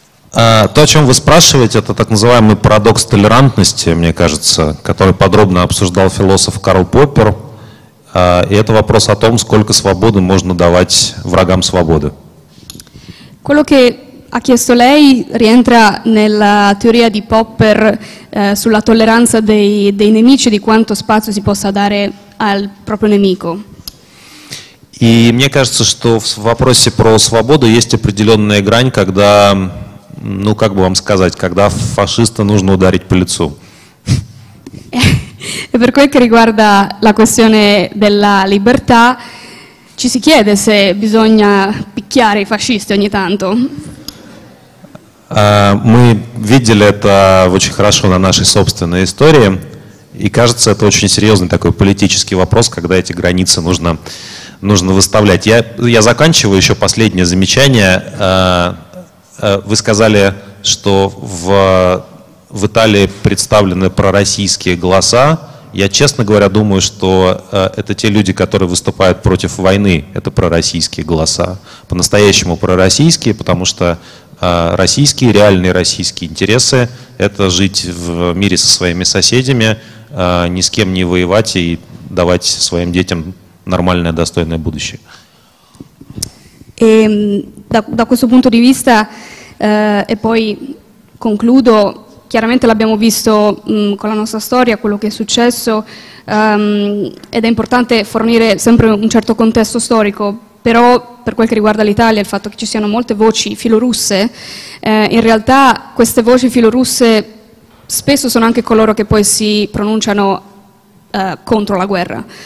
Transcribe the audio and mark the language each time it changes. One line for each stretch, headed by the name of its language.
Russian: То, о чем вы спрашиваете, это так называемый парадокс толерантности, мне кажется, который подробно обсуждал философ Карл Поппер. И это вопрос о том, сколько свободы можно давать врагам свободы.
Italian: Quello che ha chiesto lei rientra nella teoria di Popper sulla tolleranza dei nemici, di quanto spazio si possa dare al proprio nemico.
Russian: И мне кажется, что в вопросе про свободу есть определенная грань, когда... Ну, как бы вам сказать, когда фашиста нужно ударить по лицу.
Italian: E per quel che riguarda la questione della libertà, ci si chiede se bisogna picchiare i fascisti ogni tanto.
Russian: Мы видели это очень хорошо на нашей собственной истории, и кажется, это очень серьезный такой политический вопрос, когда эти границы нужно выставлять. Я заканчиваю еще последнее замечание. Вы сказали, что в Италии представлены пророссийские голоса. Я, честно говоря, думаю, что это те люди, которые выступают против войны, это пророссийские голоса. По-настоящему пророссийские, потому что российские, реальные российские интересы – это жить в мире со своими соседями, ни с кем не воевать и давать своим детям нормальное, достойное будущее.
Italian: Da questo punto di vista, e poi concludo, chiaramente l'abbiamo visto con la nostra storia, quello che è successo, ed è importante fornire sempre un certo contesto storico, però per quel che riguarda l'Italia, il fatto che ci siano molte voci filorusse, in realtà queste voci filorusse spesso sono anche coloro che poi si pronunciano contro la guerra.